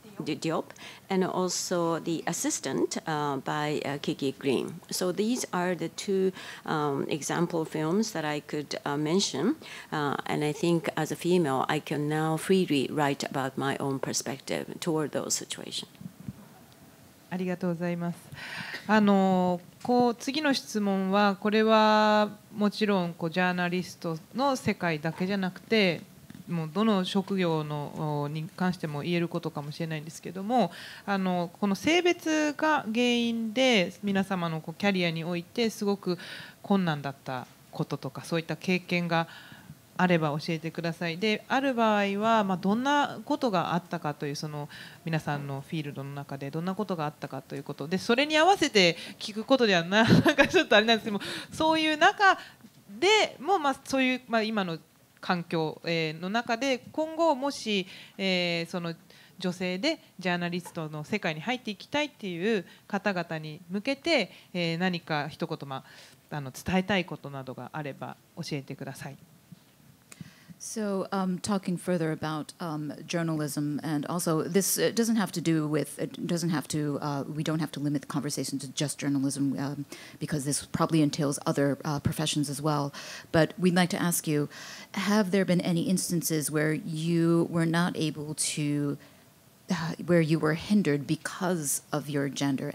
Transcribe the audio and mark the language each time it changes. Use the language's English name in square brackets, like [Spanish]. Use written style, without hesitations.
[English] Diop, and also The Assistant by Kiki Green. So these are the two example films that I could mention. And I think as a female, I can now freely write about my own perspective toward those situations. [Japanese] ありがとうございます。こう次の質問は、これはもちろんこうジャーナリストの世界だけじゃなくて、もうどの職業のに関しても言えることかもしれないんですけども、この性別が原因で皆様のこうキャリアにおいてすごく困難だったこととか、そういった経験があれば教えてください。である場合は、どんなことがあったかという、その皆さんのフィールドの中でどんなことがあったかということで、それに合わせて聞くことではなんかちょっとあれなんですけども、そういう中でも、そういう、今の環境の中で今後もし、その女性でジャーナリストの世界に入っていきたいっていう方々に向けて、何か一言、伝えたいことなどがあれば教えてください。 [English] So, talking further about journalism, and also this doesn't have to do with, it doesn't have to, we don't have to limit the conversation to just journalism, because this probably entails other professions as well. But we'd like to ask you, have there been any instances where you were not able to, where you were hindered because of your gender?